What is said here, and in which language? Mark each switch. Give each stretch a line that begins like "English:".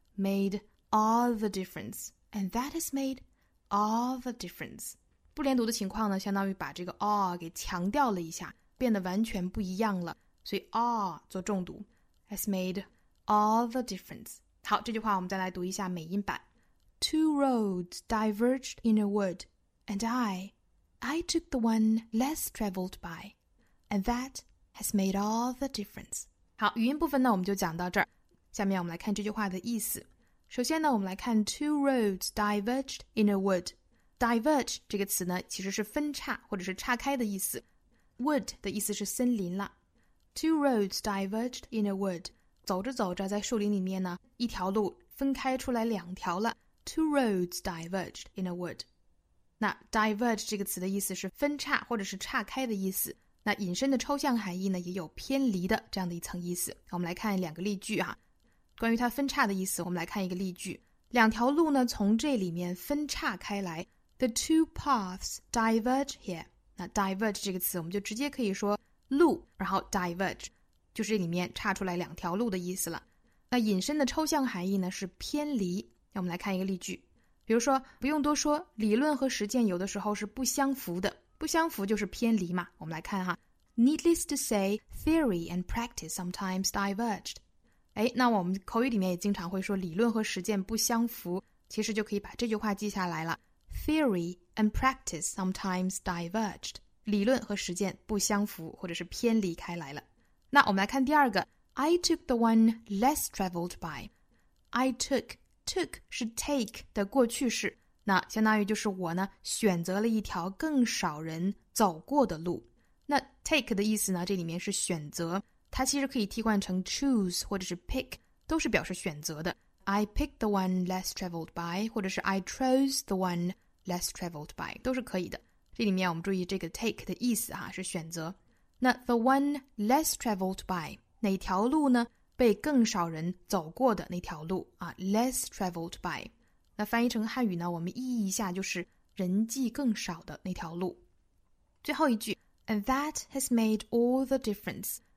English: Made all the difference. And that has made all the difference.
Chinese: 不连读的情况呢相当于把这个 all 给强调了一下，变得完全不一样了。所以 all 做重读。
English: Has made all the difference.
Chinese: 好，这句话我们再来读一下美音版。
English: Two roads diverged in a wood, and I took the one less traveled by, and that has made all the difference.
Chinese: 好，语音部分呢，我们就讲到这儿。下面我们来看这句话的意思。首先呢，我们来看
English: two roads diverged in a wood.
Chinese: Diverge 这个词呢，其实是分岔或者是岔开的意思。
English: Wood
Chinese: 的意思是森林了。
English: Two roads diverged in a wood.
Chinese: 走着走着，在树林里面呢，一条路分开出来两条了。
English: Two roads diverged in a wood.
Chinese: 那 diverge 这个词的意思是分岔或者是岔开的意思，那引申的抽象含义呢也有偏离的这样的一层意思。我们来看两个例句啊，关于它分岔的意思，我们来看一个例句，两条路呢从这里面分岔开来，
English: The two paths diverge here。
Chinese: 那 diverge 这个词我们就直接可以说路，然后 diverge 就是这里面岔出来两条路的意思了。那引申的抽象含义呢是偏离，那我们来看一个例句，比如说不用多说，理论和实践有的时候是不相符的，不相符就是偏离嘛。我们来看哈。
English: Needless to say, theory and practice sometimes diverged.
Chinese: 哎，那我们口语里面也经常会说理论和实践不相符，其实就可以把这句话记下来了。
English: Theory and practice sometimes diverged.
Chinese: 理论和实践不相符或者是偏离开来了。那我们来看第二个。
English: I took the one less traveled by.
Chinese: I took 是 take 的过去式，那相当于就是我呢选择了一条更少人走过的路。那 take 的意思呢，这里面是选择，它其实可以替换成 choose 或者是 pick， 都是表示选择的。
English: I picked the one less traveled by 或者是 I chose the one less traveled by
Chinese: 都是可以的。这里面我们注意这个 take 的意思哈，是选择。那
English: the one less traveled by
Chinese: 哪条路呢，被更少人走过的那条路啊 ，less traveled by。那翻译成汉语呢，我们意译一下就是人迹更少的那条路。最后一句
English: ，and that has made all the difference.